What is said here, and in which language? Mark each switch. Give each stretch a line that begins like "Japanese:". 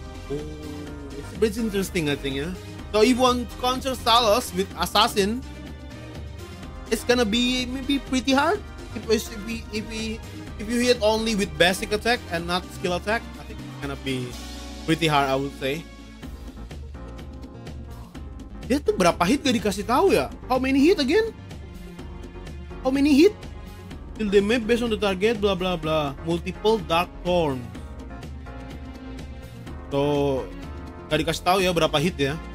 English: Oh, it's a bit interesting I think ya. So if you want to counter Celos with assassin, it's gonna be maybe pretty hard. If you hit only with basic attack and not skill attack, I think it's gonna be pretty hard, I would say.
Indonesian: Dia tuh berapa hit gak dikasih tahu ya?
English: How many hit? Till the map based on the target, blah blah blah. Multiple dark thorn.
Indonesian: So, gak dikasih tahu ya berapa hit ya.